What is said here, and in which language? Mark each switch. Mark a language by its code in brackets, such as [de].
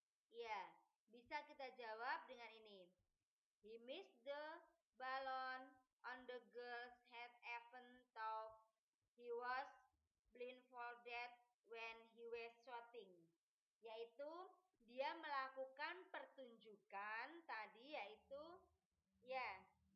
[id] Ya, bisa kita jawab dengan ini. [en] He missed the balloon on the girl's head even though he was blindfolded when he was shooting. [id] Yaitu dia melakukan pertunjukan tadi, yaitu ya.